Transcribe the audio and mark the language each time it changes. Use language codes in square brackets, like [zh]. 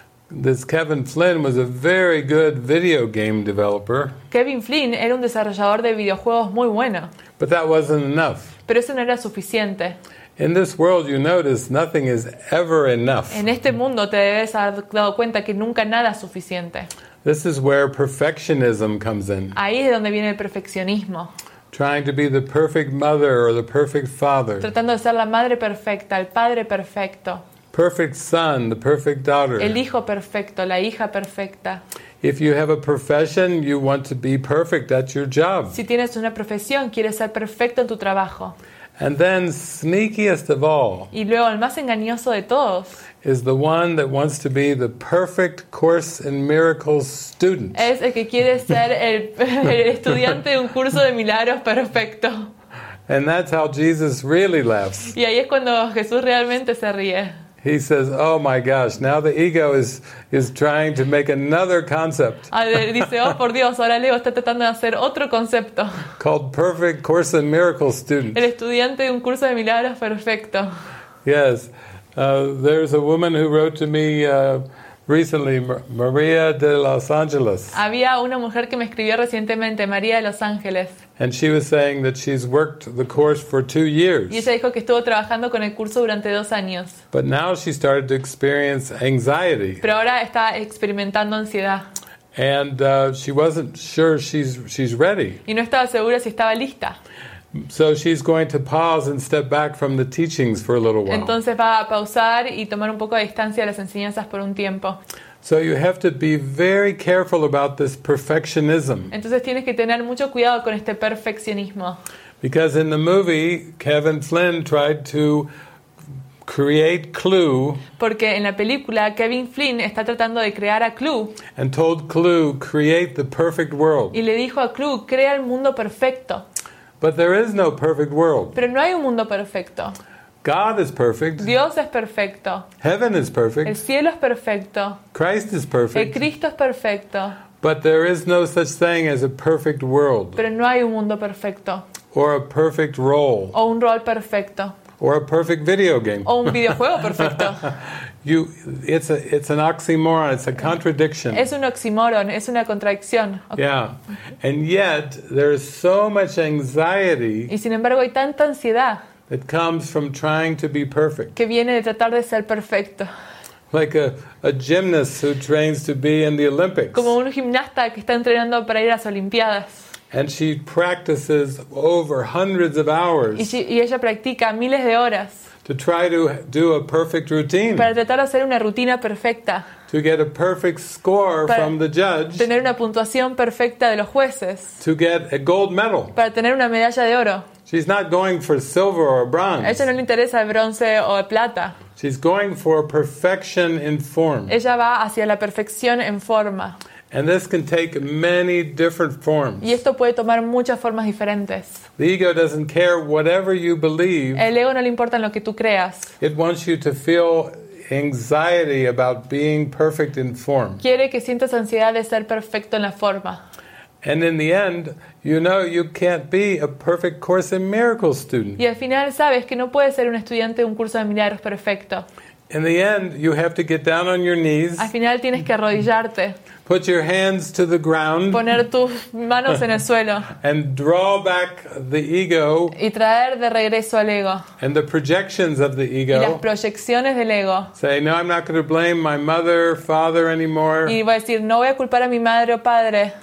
[en] This Kevin Flynn was a very good video game developer. [es] Kevin Flynn era un desarrollador de videojuegos muy bueno. [en] But that wasn't enough. [es] Pero eso no era suficiente. [en] In this world, you notice nothing is ever enough. [es] En este mundo te debes haber dado cuenta que nunca nada es suficiente. [en] This is where perfectionism comes in. [es] Ahí es donde viene el perfeccionismo. [en] Trying to be the perfect mother or the perfect father. [es] Tratando de ser la madre perfecta, el padre perfecto. [en] Perfect son, the perfect daughter. [es] El hijo perfecto, la hija perfecta. [en] If you have a profession, you want to be perfect at your job. [es] Si tienes una profesión, quieres ser perfecto en tu trabajo. [en] And then, sneakiest of all, [es] y luego, el más engañoso de todos, [en] is the one that wants to be the perfect Course in Miracles student. [es] Es el que quiere ser el estudiante de un curso de milagros perfecto. [en] And that's how Jesus really laughs. [es] Y ahí es cuando Jesús realmente se ríe. [en] He says, "Oh my gosh, now the ego is trying to make another concept." [es] Dice, "Oh, por Dios, ahora el ego está tratando de hacer otro concepto." [en] Called Perfect Course in Miracles student. [es] El estudiante de un curso de milagros perfecto. [en] Yes. There's a woman who wrote to me recently, Maria de Los Angeles. [es] Había una mujer que me escribió recientemente, María de Los Ángeles. [en] And she was saying that she's worked the course for 2 years. [es] Y ella dijo que estuvo trabajando con el curso durante 2 años. [en] But now she started to experience anxiety. [es] Pero ahora está experimentando ansiedad. [en] And she wasn't sure she's ready. [es] Y no estaba segura si estaba lista. [en] So she's going to pause and step back from the teachings for a little while. [es] Entonces va a pausar y tomar un poco de distancia de las enseñanzas por un tiempo. [en] So you have to be very careful about this perfectionism. [es] Entonces tienes que tener mucho cuidado con este perfeccionismo. [en] Because in the movie, Kevin Flynn tried to create Clue. [es] Porque en la película Kevin Flynn está tratando de crear a Clue. [en] And told Clue, create the perfect world. [es] Y le dijo a Clue, crea el mundo perfecto. [en] But there is no perfect world. [es] Pero no hay un mundo perfecto. [en] God is perfect. [es] Dios es perfecto. [en] Heaven is perfect. [es] El cielo es perfecto. [en] Christ is perfect. [es] El Cristo es perfecto. [en] But there is no such thing as a perfect world. [es] Pero no hay un mundo perfecto. [en] Or a perfect role. [es] O un rol perfecto. [en] Or a perfect video game. [es] O un videojuego perfecto. [en] It's an oxymoron, it's a contradiction. [es] Es un oxímoron, es una contradicción. [en] Yeah. And yet there is so much anxiety. [es] Y sin embargo hay tanta ansiedad. [en] It comes from trying to be perfect. [es] Que viene de tratar de ser perfecto. [en] Like a gymnast who trains to be in the Olympics. [es] Como un gimnasta que está entrenando para ir a las Olimpiadas. [en] And she practices over hundreds of hours. [es] Y ella practica miles de horas. [en] To try to do a perfect routine. [es] Para tratar de hacer una rutina perfecta. [en] To get a perfect score from the judge. [es] Tener una puntuación perfecta de los jueces. [en] To get a gold medal. [es] Para tener una medalla de oro. [en] She's not going for silver or bronze. [es] A ella no le interesa el bronce o el plata. [en] She's going for perfection in form. [es] Ella va hacia la perfección en forma. [en] And this can take many different forms. [es] Y esto puede tomar muchas formas diferentes. [en] The ego doesn't care whatever you believe. [es] El ego no le importa en lo que tú creas. [en] It wants you to feel anxiety about being perfect in form. [es] Quiere que sientas ansiedad de ser perfecto en la forma. [en] And in the end, you know you can't be a perfect Course in Miracles student. [es] Y al final sabes que no puedes ser un estudiante de un curso de milagros perfecto. [en] In the end, you have to get down on your knees. [es] Al final tienes que arrodillarte. [en] Put your hands to the ground. [es] Poner tus manos en el suelo. [en] And draw back the ego. [es] Y traer de regreso al ego. [en] And the projections of the ego. [es] Y las proyecciones del ego. [en] Say, no, I'm not going to blame my mother, father anymore. [es] Y voy a decir, no voy a culpar a mi madre o padre.